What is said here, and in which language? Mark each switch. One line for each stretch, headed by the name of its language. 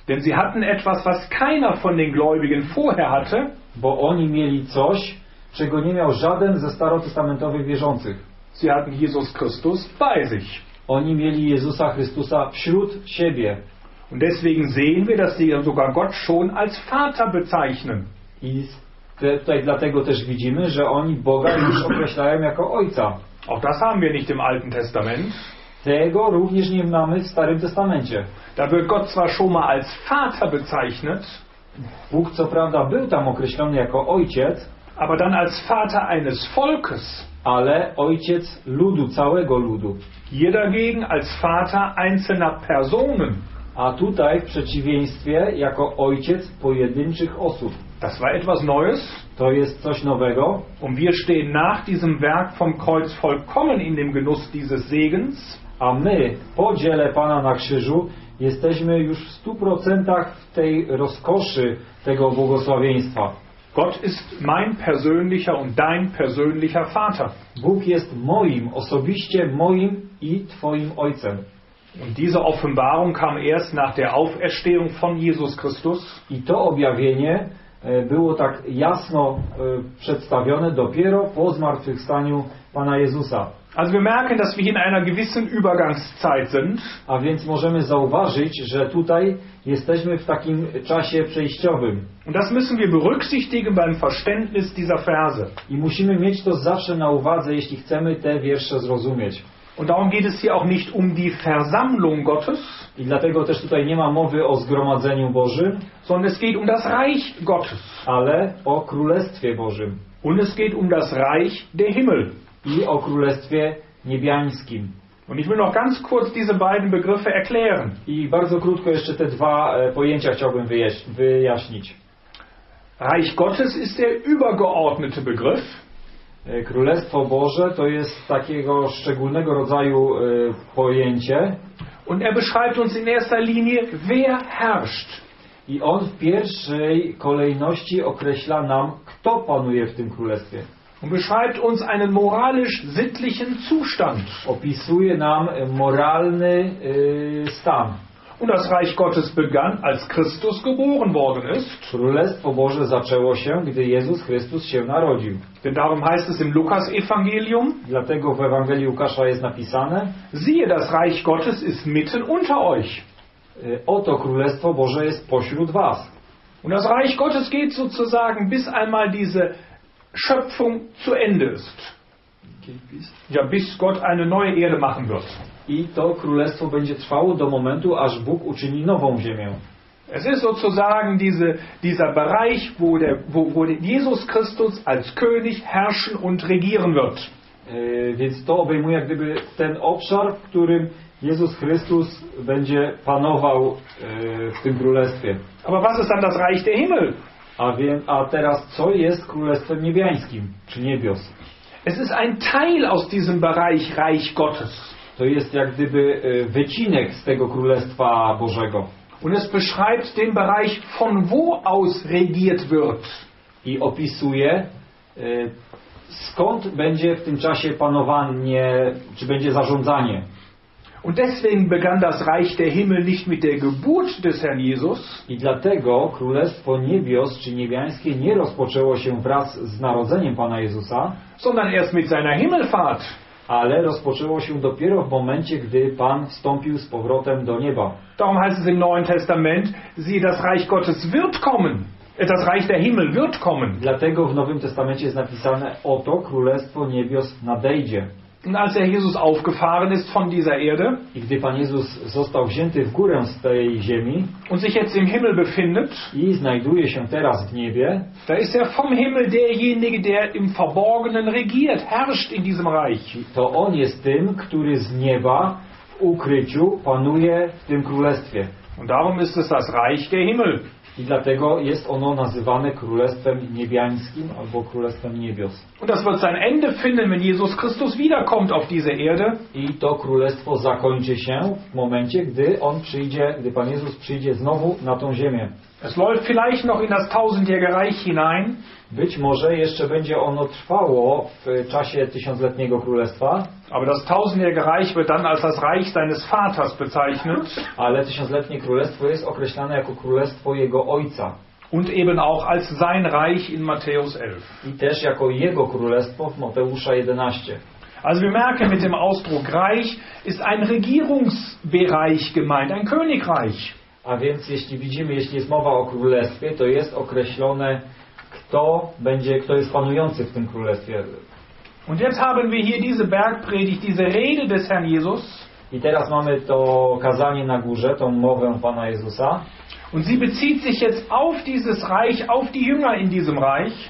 German: Denn sie hatten etwas, was keiner von den Gläubigen vorher hatte.
Polish: Bo oni mieli coś, czego nie miał żaden ze starotestamentowych wierzących.
German: Sie hatten Jesus Christus bei sich.
Polish: Oni mieli Jezusa Chrystusa wśród siebie.
German: Und deswegen sehen wir, dass sie sogar Gott schon als Vater bezeichnen.
Polish: I tutaj dlatego też widzimy, że oni Boga już określają jako Ojca.
German: Auch das haben wir nicht im Alten Testament.
Polish: Tego również nie mamy w Starym Testamencie.
German: Da wird Gott zwar schon mal als Vater bezeichnet.
Polish: Bóg co prawda był tam określony jako Ojciec.
German: Aber dann als Vater eines Volkes.
Polish: Ale Ojciec ludu, całego ludu.
German: Hier dagegen als Vater einzelner Personen.
Polish: A tutaj w przeciwieństwie jako Ojciec pojedynczych osób.
German: Das war etwas Neues.
Polish: To jest coś nowego.
German: Und wir stehen nach diesem Werk vom Kreuz vollkommen in dem Genuss dieses Segens.
Polish: A my, po dziele Pana na krzyżu, jesteśmy już w 100% w tej rozkoszy tego błogosławieństwa.
German: Gott ist mein persönlicher und dein persönlicher Vater.
Polish: Bóg jest moim, osobiście moim i twoim ojcem.
German: Und diese Offenbarung kam erst nach der Auferstehung von Jesus Christus.
Polish: I to objawienie było tak jasno przedstawione dopiero po zmartwychwstaniu Pana Jezusa.
German: Also wir merken, dass wir in einer gewissen Übergangszeit sind.
Polish: A więc możemy zauważyć, że tutaj jesteśmy w takim czasie przejściowym.
German: Und das müssen wir berücksichtigen beim Verständnis dieser Verse.
Polish: I musimy mieć to zawsze na uwadze, jeśli chcemy te wiersze zrozumieć.
German: Und darum geht es hier auch nicht um die Versammlung Gottes.
Polish: I dlatego też tutaj nie ma mowy o zgromadzeniu Bożym,
German: sondern es geht um das Reich Gottes.
Polish: Ale o Królestwie Bożym.
German: Und es geht um das Reich der Himmel.
Polish: I o Królestwie Niebiańskim.
German: Und ich will noch ganz kurz diese beiden Begriffe erklären.
Polish: I bardzo krótko jeszcze te dwa pojęcia chciałbym wyjaśnić.
German: Reich Gottes ist der übergeordnete Begriff.
Polish: Królestwo Boże to jest takiego szczególnego rodzaju pojęcie.
German: Und er beschreibt uns in erster Linie, wer herrscht.
Polish: I on w pierwszej kolejności określa nam, kto panuje w tym Królestwie.
German: Und beschreibt uns einen moralisch-sittlichen Zustand.
Polish: Opisuje nam moralny stan.
German: Und das Reich Gottes begann, als Christus geboren worden ist.
Polish: Królestwo Boże zaczęło się, gdy Jezus Chrystus się narodził.
German: Denn darum heißt es im Lukas-Evangelium.
Polish: Dlatego w Ewangelii Łukasza jest napisane.
German: Siehe, das Reich Gottes ist mitten unter euch.
Polish: oto Królestwo Boże jest pośród was.
German: Und das Reich Gottes geht sozusagen bis einmal diese Schöpfung zu Ende ist. Ja, bis Gott eine neue Erde machen wird.
Polish: I to Królestwo będzie trwało do momentu, aż Bóg uczyni nową ziemię.
German: Es ist sozusagen dieser Bereich, wo Jesus Christus als König herrschen und regieren wird.
Polish: Więc to obejmuje jak gdyby ten obszar, w którym Jezus Chrystus będzie panował w tym królestwie.
German: Aber was ist dann das Reich der Himmel?
Polish: A teraz co jest Królestwem Niebiańskim, czy niebios?
German: Es ist ein Teil aus diesem Bereich Reich Gottes.
Polish: To jest jak gdyby wycinek z tego Królestwa Bożego.
German: Und es beschreibt den Bereich, von wo aus regiert wird.
Polish: I opisuje, skąd będzie w tym czasie panowanie, czy będzie zarządzanie.
German: Und deswegen begann das Reich der Himmel nicht mit der Geburt des Herrn Jesus.
Polish: I dlatego Królestwo Niebios, czy Niebiańskie, nie rozpoczęło się wraz z narodzeniem Pana Jezusa,
German: sondern erst mit seiner Himmelfahrt.
Polish: Ale rozpoczęło się dopiero w momencie, gdy Pan wstąpił z powrotem do nieba.
German: Darum heißt es im Neuen Testament, sie, das Reich Gottes wird kommen. Das Reich der Himmel wird kommen.
Polish: Dlatego w Nowym Testamencie jest napisane, oto Królestwo Niebios nadejdzie.
German: Und als der Jesus aufgefahren ist von dieser Erde,
Polish: i gdy Pan Jezus został wzięty w górę z tej ziemi,
German: und sich jetzt im Himmel befindet,
Polish: i znajduje się teraz w niebie,
German: da ist er vom Himmel derjenige, der im Verborgenen regiert, herrscht in diesem Reich.
Polish: To on jest tym, który z nieba w ukryciu panuje w tym królestwie.
German: Und darum ist es das Reich der Himmel.
Polish: I dlatego jest ono nazywane Królestwem Niebiańskim albo Królestwem Niebios.
German: Und das wird sein Ende finden, wenn Jesus Christus wiederkommt auf diese Erde.
Polish: I to królestwo zakończy się w momencie, gdy on przyjdzie, gdy Pan Jezus przyjdzie znowu na tą ziemię.
German: Es läuft vielleicht noch in das tausendjährige Reich hinein.
Polish: Być może jeszcze będzie ono trwało w czasie tysiącletniego królestwa.
German: Aber das tausendjährige Reich wird dann als das Reich seines Vaters bezeichnet.
Polish: Ale tysiącletnie królestwo jest określane jako królestwo jego ojca.
German: Und eben auch als sein Reich in Matthäus 11.
Polish: I też jako jego królestwo w Mateusza 11.
German: Also wir merken, mit dem Ausdruck Reich ist ein Regierungsbereich gemeint, ein Königreich.
Polish: A więc jeśli widzimy, jeśli jest mowa o królestwie, to jest określone, kto jest panujący w tym królestwie.
German: Und jetzt haben wir hier diese Bergpredigt, diese Rede des Herrn Jesus.
Polish: I teraz mamy to kazanie na górze, tą mowę Pana Jezusa.
German: Und sie bezieht sich jetzt auf dieses Reich, auf die Jünger in diesem Reich.